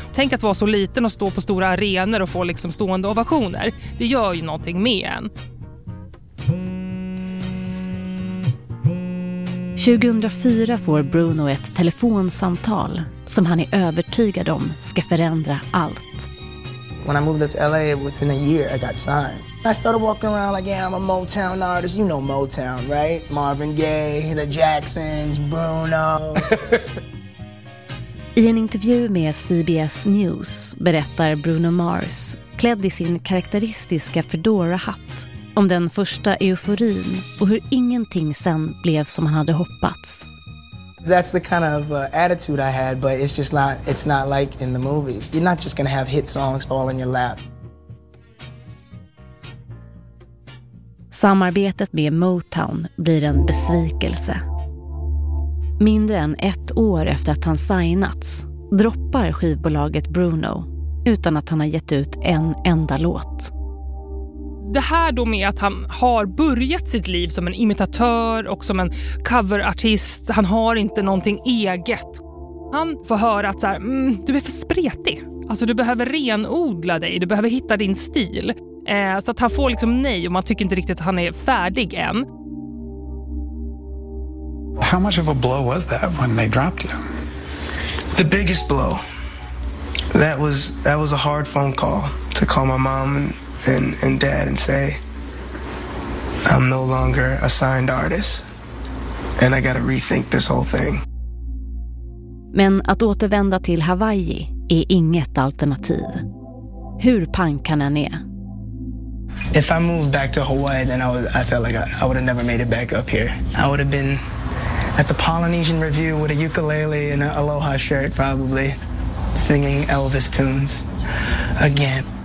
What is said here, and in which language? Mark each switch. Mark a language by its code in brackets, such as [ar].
[sv] Tänk att vara så liten och stå på stora arenor och få liksom stående ovationer. Det gör ju någonting med en. 2004 får Bruno ett telefonsamtal som han är övertygad om ska förändra allt. [en] When I moved up to LA, within a year, I got signed. I started walking around like, yeah, I'm a Motown artist. You know Motown, right? Marvin Gaye, the Jacksons, Bruno. [sv] I en intervju med CBS News berättar Bruno Mars, klädd i sin karaktäristiska fedora-hatt, om den första euforin och hur ingenting sen blev som han hade hoppats. [en] That's the kind of attitude I had, but it's not like in the movies. You're not just gonna have hit songs all in your lap. [sv] Samarbetet med Motown blir en besvikelse. Mindre än ett år efter att han signats droppar skivbolaget Bruno utan att han har gett ut en enda låt. Det här då med att han har börjat sitt liv som en imitatör och som en coverartist. Han har inte någonting eget. Han får höra att så här, du är för spretig. Alltså du behöver renodla dig, du behöver hitta din stil. Så att han får liksom nej och man tycker inte riktigt att han är färdig än. [en] How much of a blow was that when they dropped you? The biggest blow. That was a hard phone call to call my mom and dad and say I'm no longer a signed artist and I gotta rethink this whole thing. [sv] Men att återvända till Hawaii är inget alternativ. Hur punk han än är. [en] If I moved back to Hawaii then I felt like I would have never made it back up here. I would have been at the Polynesian Review with a ukulele and an aloha shirt probably singing Elvis tunes again.